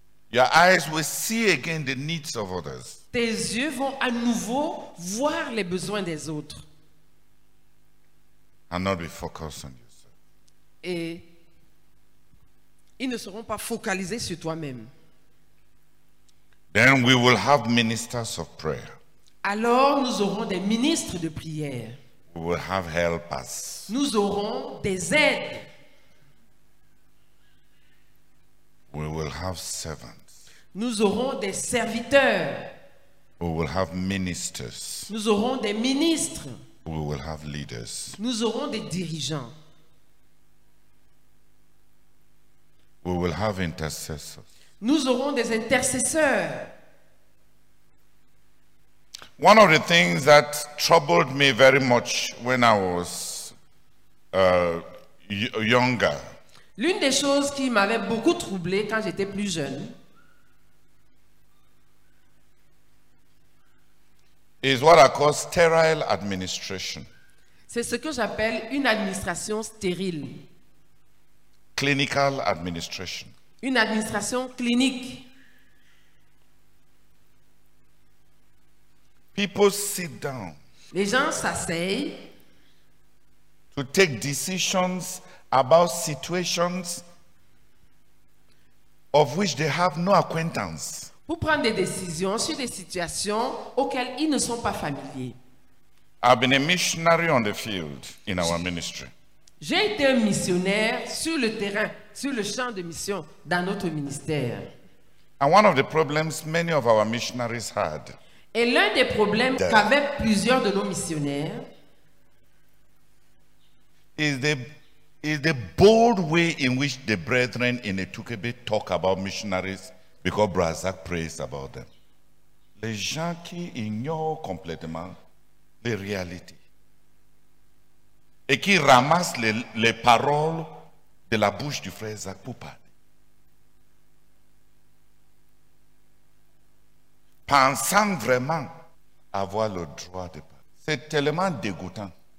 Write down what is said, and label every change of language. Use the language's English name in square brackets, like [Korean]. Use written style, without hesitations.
[English] Your eyes will see again the needs of others. [French] Tes yeux vont à nouveau voir les besoins des autres. [English] And not be focused on yourself. [French] Et ils ne seront pas focalisés sur toi-même. [English] Then we will have ministers of prayer. [French] Alors nous aurons des ministres de prière. [English] We will have helpers. [French] Nous aurons des aides. [English] We will have servants. [French] Nous aurons des serviteurs. [English] We will have ministers. [French] Nous aurons des ministres. [English] We will have leaders. [French] Nous aurons des dirigeants. [English] We will have intercessors. [French] Nous aurons des intercesseurs. [English] One of the things that troubled me very much when I was younger. [French] L'une des choses qui m'avait beaucoup troublé quand j'étais plus jeune. [English] Is what I call sterile administration. [French] C'est ce que j'appelle une administration stérile. [English] Clinical administration. [French] Une administration clinique. [English] People sit down. [French] Les gens s'asseyent. [English] To take decisions about situations of which they have no acquaintance. [French] pour prendre des décisions sur des situations auxquelles ils ne sont pas familiers. [English] I've been a missionary on the field in our ministry. [French] J'ai été un missionnaire sur le terrain, sur le champ de mission dans notre ministère. [English] And one of the problems many of our missionaries had. [French] Et l'un des problèmes qu'avaient plusieurs de nos missionnaires [English] is the bold way in which the brethren in Etukebe talk about missionaries because Brazak prays about them. [French] Les gens qui ignorent complètement les réalités et qui ramassent les paroles de la bouche du frère Zach pour parler. Pensant vraiment avoir le droit de parler. C'est tellement dégoûtant.